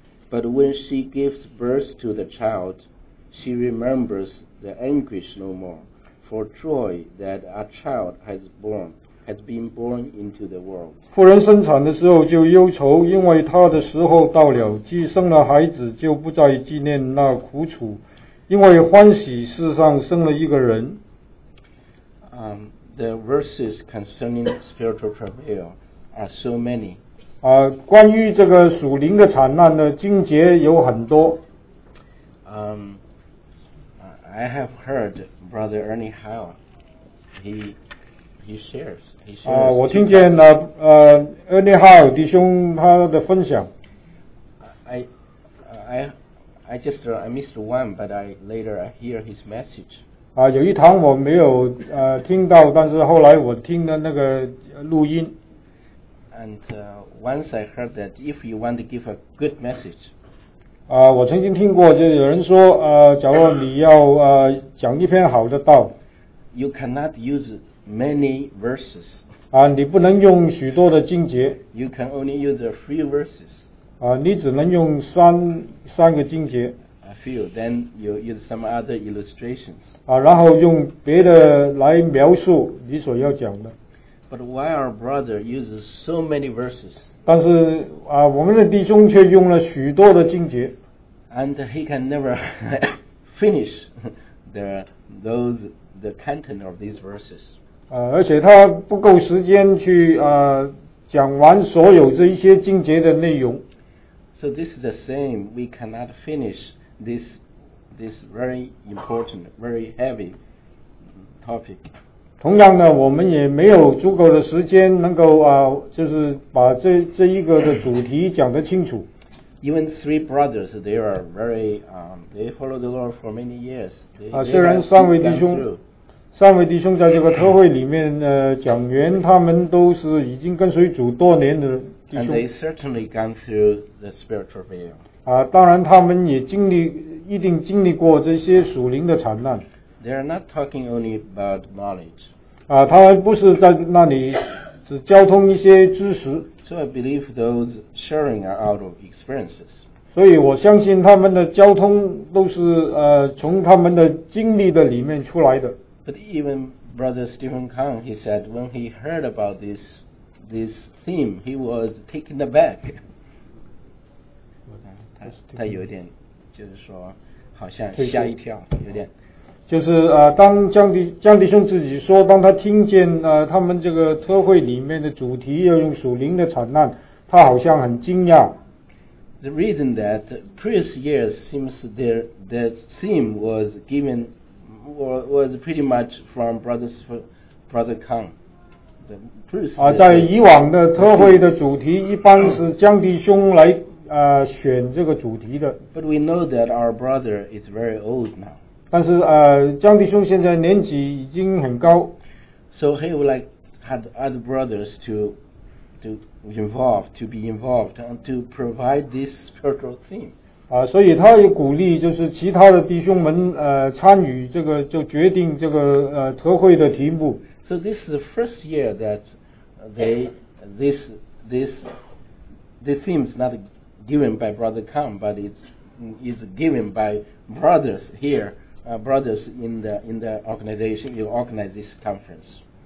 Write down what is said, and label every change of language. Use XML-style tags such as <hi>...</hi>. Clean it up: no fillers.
<en>But when she gives birth to the child, she remembers the anguish no more, for joy that a child has been born into the world.</en> <zh>妇人生产的时候就忧愁，因为她的时候到了，既生了孩子，就不再纪念那苦楚，因为欢喜世上生了一个人。</zh> <en>The verses concerning spiritual travail are so many.</en> <zh>关于这个属灵的惨难的经节有很多。</zh> <en>I have heard Brother Ernie Howe. He shares.</en> <zh>我听见了Ernie Howe 弟兄他的分享。</zh> <en>I missed one, but I later I hear his message.</en> <zh>有一堂我没有听到，但是后来我听了那个录音。</zh> <en>And once I heard that if you want to give a good message.</en> <zh>我曾经听过，就有人说，假如你要讲一篇好的道</zh> <en>，You cannot use many verses.</en> <zh>你不能用许多的经节。</zh> <en>You can only use a few verses.</en> <zh>你只能用三个经节。</zh> <en>A few. Then you use some other illustrations.</en> <zh>然后用别的来描述你所要讲的。</zh> <en>But why our brother uses so many verses?</en> <zh>但是我们的弟兄却用了许多的经节。</zh> <en>And he can never finish the content of these verses.</en> <zh>而且他不够时间去讲完所有这一些经节的内容。</zh> <en>So this is the same. We cannot finish this very important, very heavy topic.</en> <zh>同样的，我们也没有足够的时间能够就是把这一个的主题讲得清楚。</zh> <en>Even three brothers, they are very they follow the Lord for many years.</en> <zh>虽然三位弟兄在这个特会里面讲员，他们都是已经跟随主多年的。</zh> <en>And they certainly gone through the spiritual veil.</en> <zh>当然他们也一定经历过这些属灵的惨难。</zh> <en>They are not talking only about knowledge.</en> <zh>他们不是在那里只交通一些知识。</zh> <en>So I believe those sharing are out of experiences.</en> <zh>所以我相信他们的交通都是从他们的经历的里面出来的。</zh> <en>But even Brother Stephen Kang, he said when he heard about this theme, he was taken aback.</en> <zh>他有点就是说好像吓一跳，有点就是当江弟兄自己说，当他听见他们这个特会里面的主题要用属灵的惨难，他好像很惊讶。</zh> <en>The reason that previous years seems that theme was given was pretty much from Brother Kang.</en> <zh>在以往的特会的主题一般是江弟兄来选这个主题的。</zh> <en>But we know that our brother is very old now.</en> <zh>但是江弟兄现在年纪已经很高。</zh> <en>So he would like had other brothers to be involved to provide this spiritual theme.</en> <zh>所以他也鼓励就是其他的弟兄们参与这个就决定这个特会的题目。</zh> <en>So this is the first year that the theme is not given by Brother Kang, but it's given by brothers here, brothers in the organization who organize this conference.</en>